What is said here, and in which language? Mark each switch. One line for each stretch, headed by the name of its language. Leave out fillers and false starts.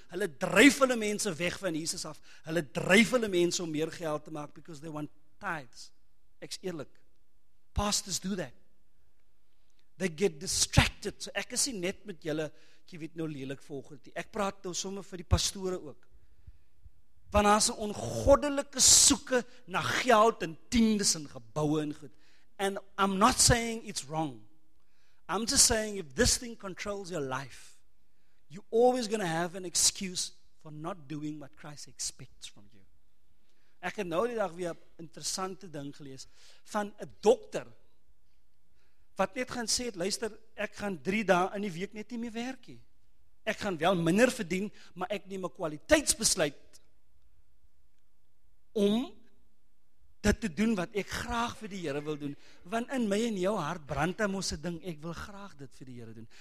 Afrikaans: Hulle dryf hulle mense weg van Jesus af. Hulle dryf hulle mense om meer geld te maak
English: because they want tithes.
Afrikaans: Ek is eerlik.
English: Pastors do that. They get distracted.
Afrikaans: So ek is nie net met julle, jy weet nou lelik volgens die. Ek praat nou sommer vir die pastore ook. Want daar is 'n ongoddelike soeke na geld en tiendes en geboue en goed.
English: And I'm not saying it's wrong. I'm just saying if this thing controls your life, you're always going to have an excuse for not doing what Christ expects from you.
Afrikaans: Ek het nou die dag weer 'n interessante ding gelees van 'n dokter wat net gaan sê, luister, ek gaan 3 dae in die week net nie meer werk nie. Ek gaan wel minder verdien, maar ek neem 'n kwaliteitsbesluit om dit te doen wat ek graag vir die Here wil doen, want in my en jou hart brand 'n mos 'n ding, ek wil graag dit vir die Here doen.